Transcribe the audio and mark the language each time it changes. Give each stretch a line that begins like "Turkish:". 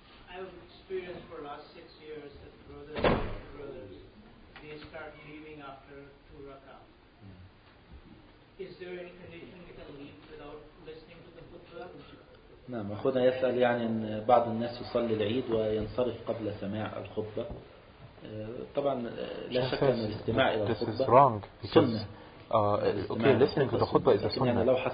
English: I have experienced for the last 6 years that brothers, they start leaving after two rakah. Is there any condition we can leave without listening to the khutbah?
Arabic: نعم أخونا يسأل يعني أن بعض الناس يصلي العيد وينصرف قبل سماع الخطبة. طبعا لا شك أن الاستماع إلى الخطبة سنة.
English: Okay, listening to the khutbah is a sunnah.